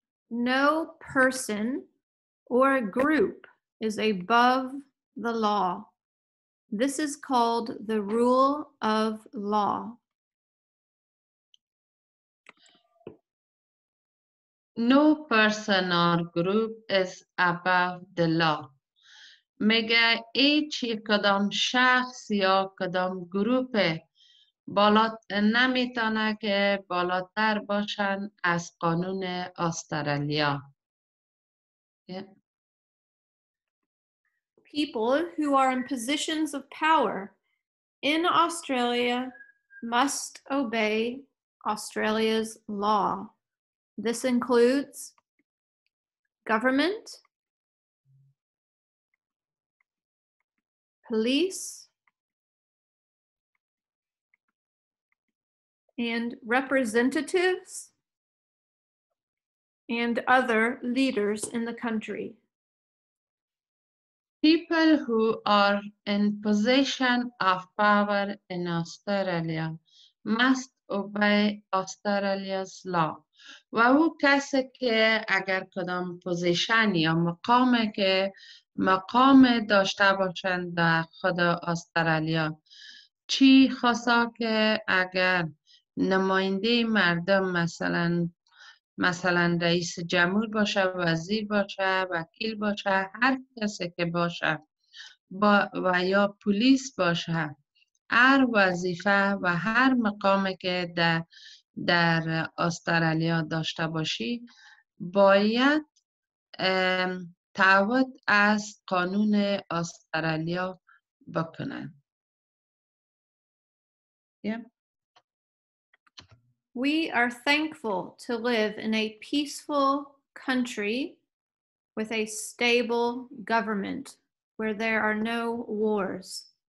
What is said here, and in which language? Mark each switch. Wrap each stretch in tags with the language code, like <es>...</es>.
<en>No person or group is above the law. This is called the rule of law. No person or group is above the law.</en> <fa>میگه هیچ کدام شخص یا کدام گروپ نمیتونه که بالاتر باشن از قانون استرالیا.</fa> <en>Yeah. People who are in positions of power in Australia must obey Australia's law. This includes government, police, and representatives, and other leaders in the country. People who are in position of power in Australia must obey Australia's law.</en> <fa>و او کسی که اگر کدام پوزیشن یا مقامی که مقام داشته باشند در خود استرالیا چی خواسا که اگر نماینده مردم مثلا رئیس جمهور باشه، وزیر باشه، وکیل باشه، هر کسی که باشه و یا پلیس باشه، هر وظیفه و هر مقامی که در استرالیا داشته باشی باید تعهد از قانون استرالیا بکنه.</fa> <en>We are thankful to live in a peaceful country with a stable government where there are no wars.</en>